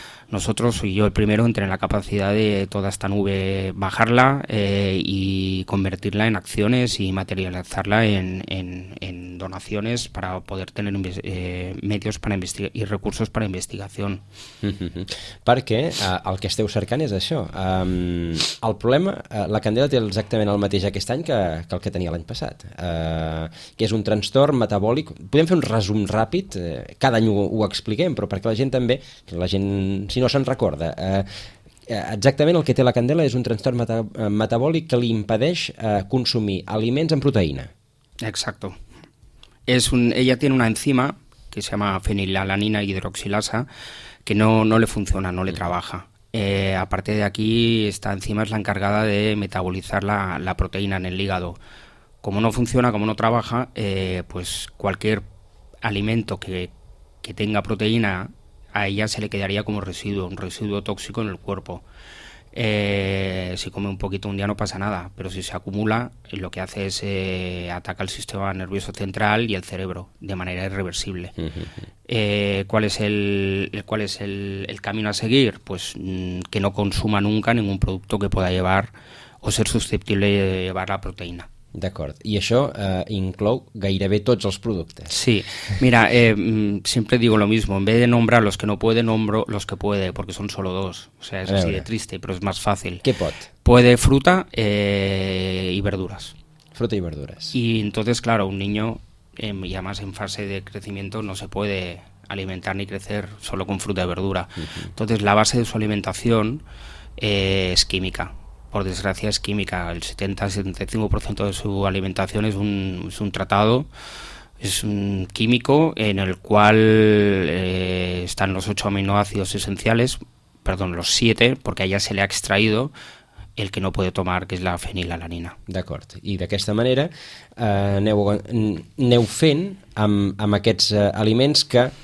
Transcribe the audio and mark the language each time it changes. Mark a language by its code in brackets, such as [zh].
[es] Nosotros y yo el primero en tener la capacidad de toda esta nube bajarla y convertirla en acciones y materializarla en donaciones para poder tener medios para investigar y recursos para investigación. [ca] Perquè el que esteu cercant és això. El problema, la candela té exactament el mateix aquest any que el que tenia l'any passat, que és un trastorn metabòlic. Podem fer un resum ràpid, cada any ho expliquem, però perquè la gent també, la gent, si no se'n recorda, exactament el que té la candela és un trastorn metabòlic que li impedeix consumir aliments amb proteïna. [es] Exacto. Ella tiene una enzima que se llama fenilalanina hidroxilasa que no le funciona, no le trabaja. Aparte de aquí, esta enzima es la encargada de metabolizar la proteína en el hígado. Como no funciona, como no trabaja, pues cualquier alimento que tenga proteína a ella se le quedaría como residuo, un residuo tóxico en el cuerpo. Si come un poquito un día no pasa nada, pero si se acumula, lo que hace es ataca el sistema nervioso central y el cerebro de manera irreversible. ¿Cuál es el camino a seguir? Pues que no consuma nunca ningún producto que pueda llevar o ser susceptible de llevar la proteína. [ca] D'acord. I això inclou gairebé tots els productes. [es] Sí. Mira, sempre digo lo mismo. En vez de nombrar los que no puede, nombro los que puede, porque son solo dos. O sea, es así de triste, pero es más fácil. [ca] ¿Qué pot? [es] Puede fruta y verduras. Fruta y verduras. Y entonces, claro, un niño, y además en fase de crecimiento, no se puede alimentar ni crecer solo con fruta y verdura. Uh-huh. Entonces, la base de su alimentación es química. Por desgracia es química, el 70-75% de su alimentación es un tratado, es un químico en el cual están los 8 aminoácidos esenciales, perdón, los 7, porque a ella se le ha extraído el que no puede tomar, que es la fenilalanina. [ca] D'acord, i d'aquesta manera aneu fent amb aquests aliments que...